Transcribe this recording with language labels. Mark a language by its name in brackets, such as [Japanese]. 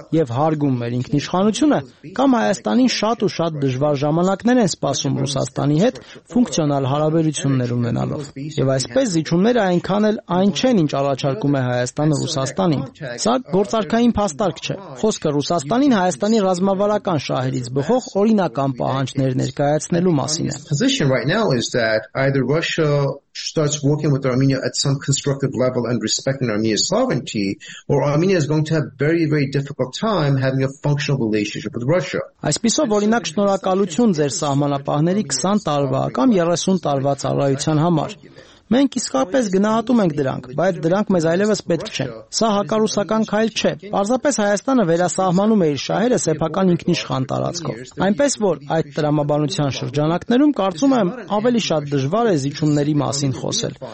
[Armenian] եւ հարգում մեր ինքնիշխանությունը, կամ Հայաստանին շատ ու շատ դժվար ժամանակներ են սպասում Ռուսաստանի հետ ֆունկցիոնալ հարաբերություններ ունենալով։ Եվ այսպես զիջումները այնքան էլ այն չեն, ինչ առաջարկում է Հայաստանը Ռուսաստանին։ Սա գործարքային փաստարկ չէ։ Խոսքը Ռուսաստանին Հայաստանի ռազմավարական շահերից բխող օրինական պահանջներ ներկայացնելու մասին է։ [English] Position right now is that either Russia starts working with Armenia at some constructive level and respecting Armenia's sovereignty, or Armenia is going to have very, very difficult time having a functional relationship with Russia. [Armenian] Այսպիսով, օրինակ, շնորհակալություն ձեր սահմանապահների 20 տարվա կամ 30 տարվա ծառայության համար։ Մենք իսկապես գնահատում ենք դրանք, բայց դրանք մեզ այլևս պետք չեն։ Սա հակառուսական քայլ չէ։ Պարզապես Հայաստանը վերասահմանում է իր շահերը սեփական ինքնիշխան տարածքով։ Այնպես որ այդ տրամաբանության շրջանակներում կարծում եմ ավելի շատ դժվար է զիջումների մասին խոսել,